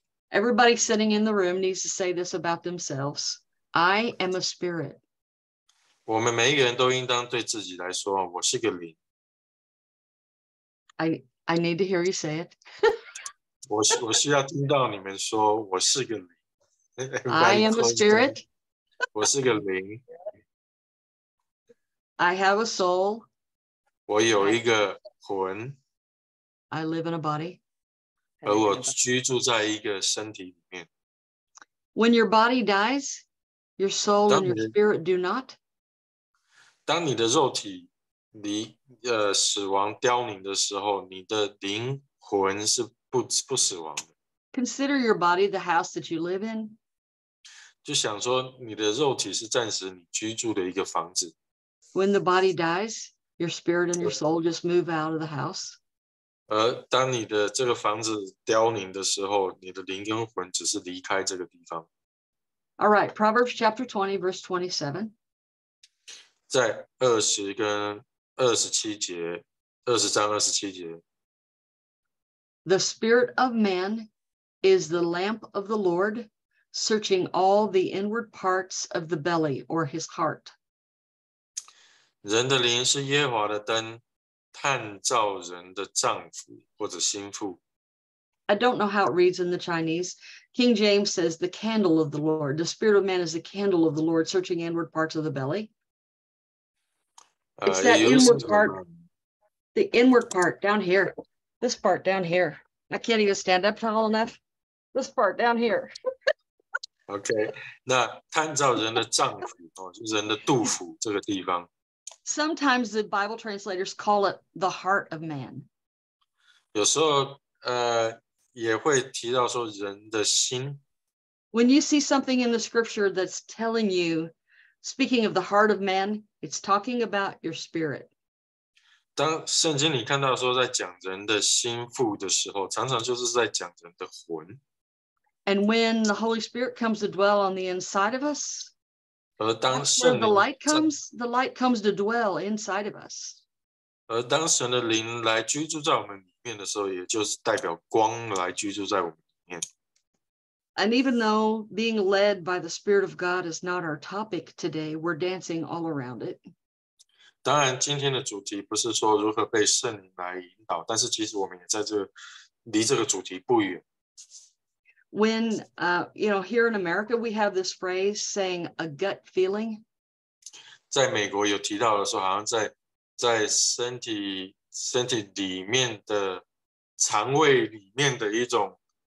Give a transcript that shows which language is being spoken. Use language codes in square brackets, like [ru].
[en] Everybody sitting in the room needs to say this about themselves. I am a spirit. [zh] 我们每一个人都应当对自己来说，我是个灵。 [en] I need to hear you say it. [zh] 我需要听到你们说我是个灵。 [en] I am a spirit. [zh] 我是个灵。 [en] I have a soul. [zh] 我有一个魂。 [en] I live in a body. [zh] 而我居住在一个身体里面。 [en] When your body dies, your soul and your spirit do not. [zh] 当你的肉体死亡凋零的时候，你的灵魂是不死亡的。 [en] Consider your body the house that you live in. [zh] 就想说你的肉体是暂时你居住的一个房子。 [en] When the body dies, your spirit and your soul just move out of the house. [zh] 而当你的这个房子凋零的时候，你的灵跟魂只是离开这个地方。 [en] All right, Proverbs chapter 20, verse 27. [zh] 在二十跟二十七节，二十章二十七节。 [en] The spirit of man is the lamp of the Lord, searching all the inward parts of the belly or his heart. [zh] 人的灵是耶和华的灯，探照人的脏腑或者心腹。 [en] I don't know how it reads in the Chinese. King James says the candle of the Lord. The spirit of man is the candle of the Lord, searching inward parts of the belly. It's that inward part, the inward part down here. This part down here. I can't even stand up tall enough. This part down here. Okay. [zh] 那探照人的脏腑，就是人的肚腹这个地方。 [en] Sometimes the Bible translators call it the heart of man. [zh] 有时候，也会提到说人的心。 [en] When you see something in the scripture that's telling you, speaking of the heart of man, it's talking about your spirit. [zh] 当圣经里看到说在讲人的心腹的时候，常常就是在讲人的魂。 [en] And when the Holy Spirit comes to dwell on the inside of us, [zh] 而当神 [en] 的 light comes, the light comes to dwell inside of us. [zh] 而当神的灵来居住在我们里面的时候，也就是代表光来居住在我们里面。 [en] And even though being led by the Spirit of God is not our topic today, we're dancing all around it. [zh] 当然，今天的主题不是说如何被圣灵来引导，但是其实我们也在这离这个主题不远。 [en] When, you know, here in America, we have this phrase saying a gut feeling. [zh] 在美国有提到的时候，好像在身体里面的肠胃里面的一种